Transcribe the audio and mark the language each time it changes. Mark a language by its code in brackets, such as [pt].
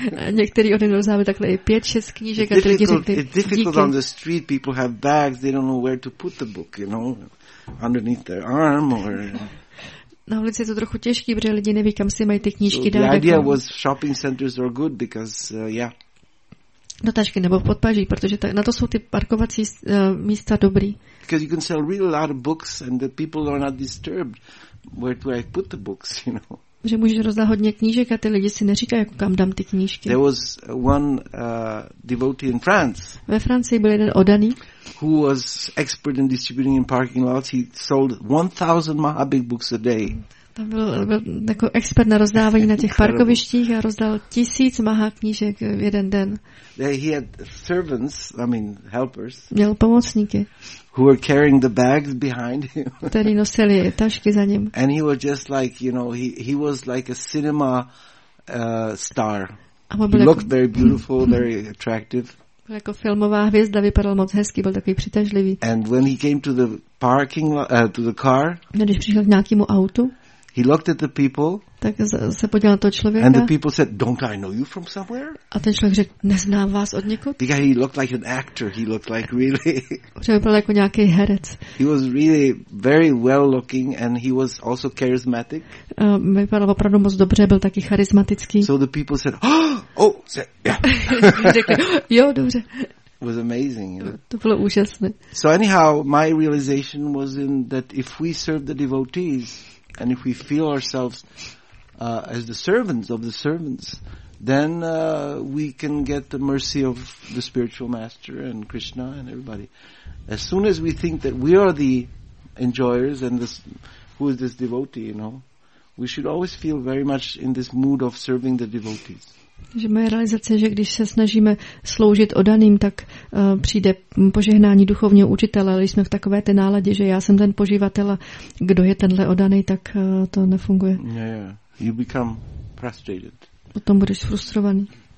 [cs] Některý oni rozdávali takhle 5-6 knížek a ty lidi řekli díky. [en] It's difficult on the street, people have bags, they don't know where to put the book, you know, underneath their arm or... [cs] Na ulici je to trochu těžký, protože lidi neví, kam si mají ty knížky dát. [en] The idea was shopping centers are good because, yeah. [cs] Do tašky nebo v podpaží, protože na to jsou ty parkovací místa dobrý. [en] Because you can sell really a lot of books and the people are not disturbed. Where do I put the books, you know? [cs] Že můžeš rozdat hodně knížek a ty lidi si neříkají, jako kam dám ty knížky. [en] There was one devotee in France. [cs] Ve Francii byl jeden oddaný. [en] Who was expert in distributing in parking lots. He sold 1,000 Mahabik books a day. [cs] Tam byl jako expert na rozdávání na těch parkovištích a rozdal 1,000 Maha knížek v jeden den. [en] He had servants, I mean helpers. [cs] Měl pomocníky. [en] Who were carrying the bags behind him. [cs] Který nosili tašky za ním. [en] And he was just like, you know, he was like a cinema star. He looked very beautiful, very attractive. [cs] Byl jako filmová hvězda, vypadal moc hezky, byl takový přitažlivý. [en] And when he came to the parking lot, to the car. [cs] Když přišel k nějakému autu. [en] He looked at the people. [cs] Tak se podíval na toho člověka. [en] And the people said, "Don't I know you from somewhere?" [cs] A ten člověk řekl, neznám vás od někud? [en] Because he looked like an actor. He looked like really. [cs] Že vypadal jako nějaký herec. [en] He was really very well looking, and he was also charismatic. [cs] Vypadal opravdu moc dobře, byl taky charismatický. [en] So the people said, "Oh, say, yeah." [cs] Řekli, jo, dobře. [en] Was amazing. [cs] To bylo úžasné. [en] So anyhow, my realization was in that if we serve the devotees and if we feel ourselves as the servants of the servants, then we can get the mercy of the spiritual master and Krishna and everybody. As soon as we think that we are the enjoyers and this, who is this devotee, you know, we should always feel very much in this mood of serving the devotees. [cs] Že moje realizace je, že když se snažíme sloužit oddaným, tak přijde požehnání duchovního učitele, ale když jsme v takové té náladě, že já jsem ten poživatel a kdo je tenhle oddaný, tak to nefunguje. [en] Yeah. You become frustrated. [cs] Potom budeš frustrovaný.